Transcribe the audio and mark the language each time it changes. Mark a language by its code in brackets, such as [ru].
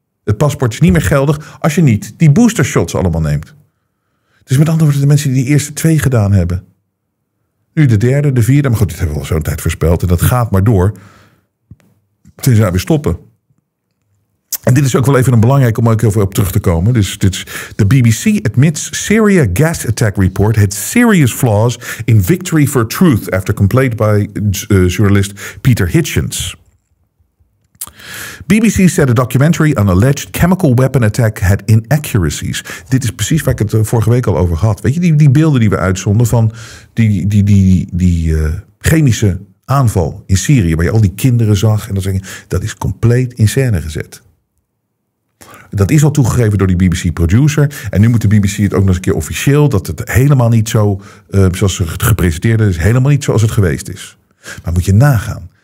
[nl] Het paspoort is niet meer geldig als je niet die boostershots allemaal neemt. Dus met andere woorden, de mensen die de eerste twee gedaan hebben, nu de derde, de vierde, maar goed, dit hebben we al zo'n tijd voorspeld en dat gaat maar door. Tenzij we stoppen. En dit is ook wel even een belangrijk om ook heel veel op terug te komen. Dus dit is de [en] BBC admits Syria gas attack report had serious flaws in Victory for Truth after complaint by journalist Peter Hitchens. BBC said a documentary on alleged chemical weapon attack had inaccuracies. [nl] Dit is precies waar ik het vorige week al over had. Weet je, die beelden die we uitzonden van die chemische aanval in Syrië, waar je al die kinderen zag en dat is compleet in scène gezet. Dat is al toegegeven door die BBC-producer. En nu moet de BBC het ook nog eens een keer officieel, dat het helemaal niet zo, zoals ze gepresenteerd is, helemaal niet zoals het geweest is. Maar moet je nagaan.